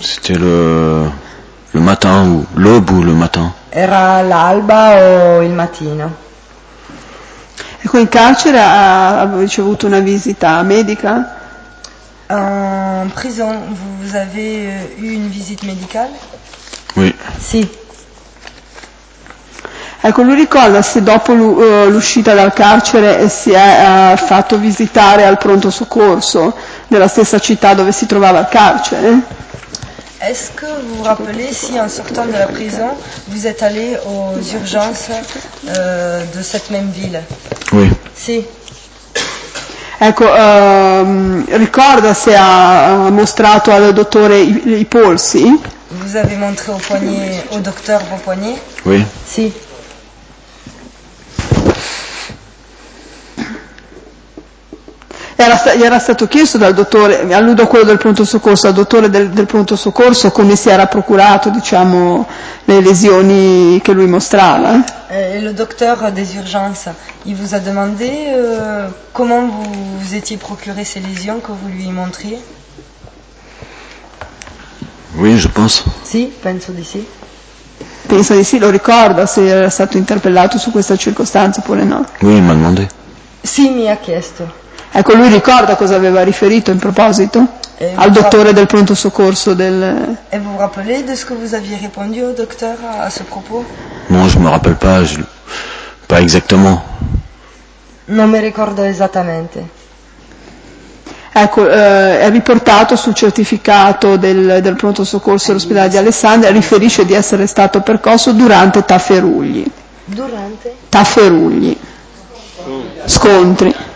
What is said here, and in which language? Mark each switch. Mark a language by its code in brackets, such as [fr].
[fr] c'était le matin ou l'aube ou le matin. [it] Era l'alba o il mattino. Ecco, in carcere ha ricevuto una visita medica? [fr] En prison, vous avez eu une visite médicale? Oui. [it] Si. Ecco, lui ricorda se dopo l'uscita dal carcere si è fatto visitare al pronto soccorso nella stessa città dove si trovava il carcere? [fr] Est-ce que vous vous rappelez si en sortant de la prison vous êtes allé aux urgences de cette même ville? Oui. [it] Si. Ecco, ricorda se ha mostrato al dottore i polsi? [fr] Vous avez montré au poignet, au docteur vos poignets? Oui. [it] Sì. Gli era stato chiesto dal dottore, alludo a quello del pronto soccorso, al dottore del pronto soccorso come si era procurato, diciamo, le lesioni che lui mostrava? [fr] Il docteur des urgences, il vous a demandé comment vous étiez procuré ces lesions que vous lui montriez? Oui, je pense. [it] Sì, penso di sì. Penso di sì, lo ricorda se era stato interpellato su questa circostanza oppure no? [fr] Oui, il m'a demandé. [it] Sì, mi ha chiesto. Ecco, lui ricorda cosa aveva riferito in proposito al dottore del pronto soccorso del. [fr] E vous vous rappelez de ce que vous aviez répondu au docteur à ce propos? Non, je me rappelle pas, pas exactement. [it] Non mi ricordo esattamente. Ecco, è riportato sul certificato del pronto soccorso dell'ospedale di Alessandria, riferisce di essere stato percosso durante tafferugli. Durante? Tafferugli. Scontri.